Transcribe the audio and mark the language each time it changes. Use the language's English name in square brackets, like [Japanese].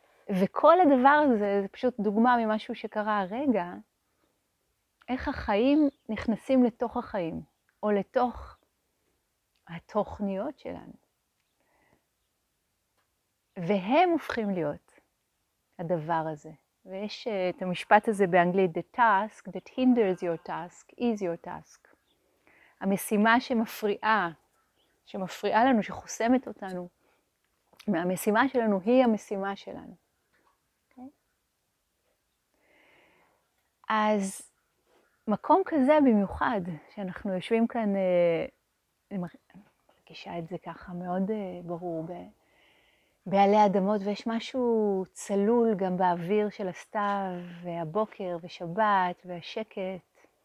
[Hebrew] וכל הדבר הזה, זה פשוט דוגמה ממשהו שקרה הרגע, איך החיים נכנסים לתוך החיים, או לתוך התוכניות שלנו. והם הופכים להיות הדבר הזה. ויש את המשפט הזה באנגלית, [English] the task that hinders your task is your task. [Hebrew] המשימה שמפריעה לנו, שחוסמת אותנו, מהמשימה שלנו היא המשימה שלנו. אז מקום כזה במיוחד, שאנחנו יושבים כאן, אני מרגישה את זה ככה מאוד ברור, בעלי אדמות, ויש משהו צלול גם באוויר של הסתיו, והבוקר, ושבת, והשקט.